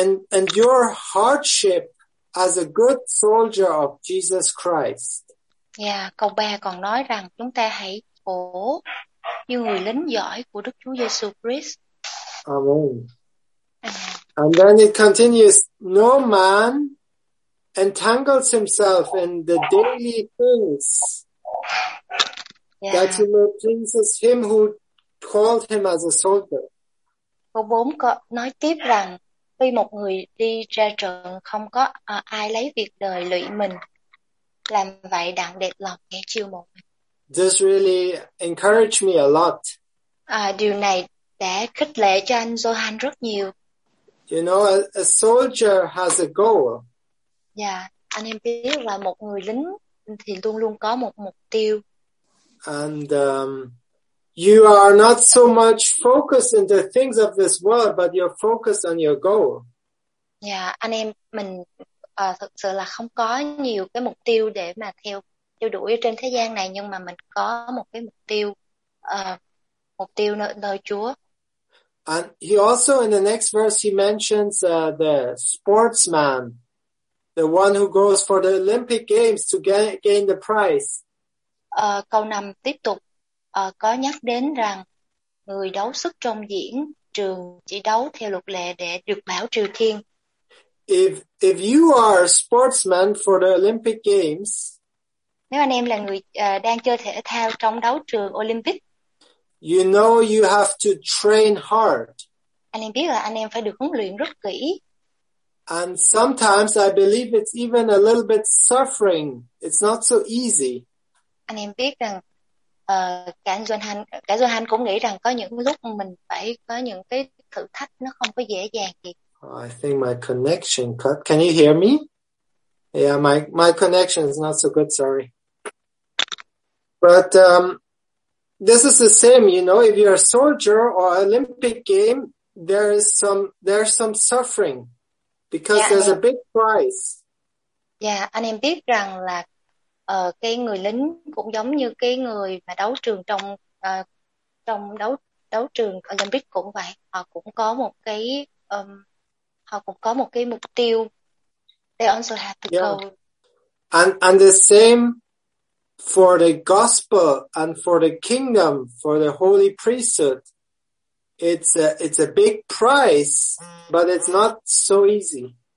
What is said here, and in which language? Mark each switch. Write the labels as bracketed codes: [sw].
[en] And your hardship as a good soldier of Jesus Christ. [vi] Yeah, câu 3 còn nói rằng chúng ta hãy khổ như người lính giỏi của Đức Chúa Giêsu Christ. [en] Amen. And then it continues, no man entangles himself in the daily things that he may please him who called him as a soldier. [vi] Câu 4 nói tiếp rằng khi một người đi ra trận không có ai lấy việc đời lụy mình, làm vậy đặng đẹp lòng kẻ chiêu mộ. [en] This really encouraged me a lot. [vi] Điều này đã khích lệ cho anh Johan rất nhiều. [en] You know, a soldier has a goal. [vi] Yeah, anh em biết là một người lính thì luôn luôn có một mục tiêu. [en] And you are not so much focused in the things of this world, but you're focused on your goal. [vi] Yeah, anh em mình thực sự là không có nhiều cái mục tiêu để mà theo đuổi trên thế gian này, nhưng mà mình có một cái mục tiêu nơi Chúa. [en] And he also, in the next verse, he mentions the sportsman, the one who goes for the Olympic Games to gain the prize. [vi] Câu 5 tiếp tục. Có nhắc đến rằng người đấu sức trong diễn trường chỉ đấu theo luật lệ để được bảo triều thiên. [en] If you are a sportsman for the Olympic Games, [vi] nếu anh em là người đang chơi thể thao trong đấu trường Olympic, [en] you know you have to train hard. [vi] Anh em biết là anh em phải được huấn luyện rất kỹ. [en] And sometimes I believe it's even a little bit suffering. It's not so easy. [vi] Anh em biết rằng cả Johan cũng nghĩ rằng có những lúc mình phải có những cái thử thách nó không có dễ dàng gì. [en] I think my connection cut. Can you hear me? Yeah, my connection is not so good, sorry. But this is the same, you know, if you're a soldier or Olympic game, there's some suffering because there's a big prize. [vi] Yeah, anh em biết rằng là cái người lính cũng giống như cái người mà đấu trường trong trong đấu đấu trường Olympic cũng vậy, họ cũng có một cái họ cũng có một cái mục tiêu. [en] They also have the goal. And the same for the gospel and for the kingdom, for the holy priesthood. It's a big price, but it's not so easy.